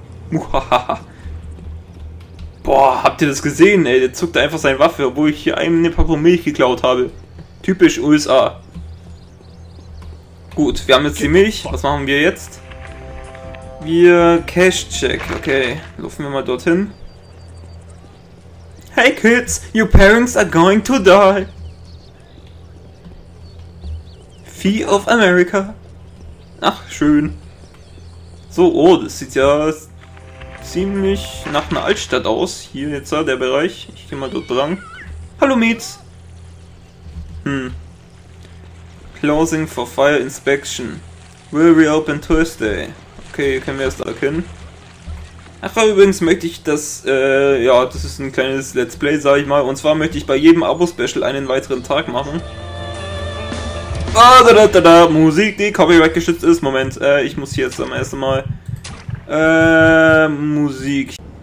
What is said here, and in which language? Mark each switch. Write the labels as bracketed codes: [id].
[de] Muhahaha. Boah, habt ihr das gesehen, ey? Der zuckt einfach seine Waffe, obwohl ich hier eine Packung Milch geklaut habe. Typisch USA. Gut, wir haben jetzt die Milch. Was machen wir jetzt? Wir Cash-Check. Okay, laufen wir mal dorthin. [en] Hey Kids, your parents are going to die. Fee of America. [de] Ach, schön. So, oh, das sieht ja ziemlich nach einer Altstadt aus. Hier jetzt, der Bereich. Ich geh mal dort dran. Hallo Meets. [en] Closing for fire inspection. Will reopen Thursday. [de] Okay, können wir erst da hin. Ach, übrigens möchte ich das, ja, das ist ein kleines Let's Play, sag ich mal. Und zwar möchte ich bei jedem Abo-Special einen weiteren Tag machen. Ah, da, da, da, da, Musik, die Copyright geschützt ist. Moment, ich muss hier jetzt am ersten Mal. Musik.